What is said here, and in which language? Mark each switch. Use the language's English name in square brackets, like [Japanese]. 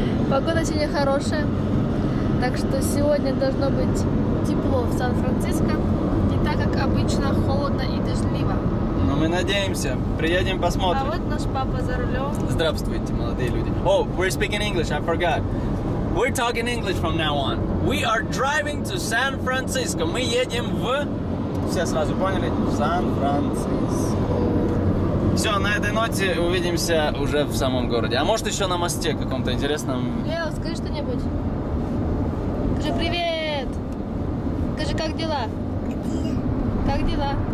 [Russian] Погода сегодня хорошая. Так что сегодня должно быть тепло в Сан-Франциско. Не так, как обычно, холодно и дождливо. Но мы надеемся. Приедем, посмотрим. А вот наш папа за рулем. Здравствуйте, молодые люди. [English] Oh, we're speaking English, I forgot. We're talking English from now on. We are driving to San Francisco. [Russian] Мы едем в... Все сразу поняли? В Сан-Франциско. Все, на этой ноте увидимся уже в самом городе. А может еще на мосте каком-то интересном. Лео, скажи что-нибудь. Скажи привет. Скажи, как дела? Как дела?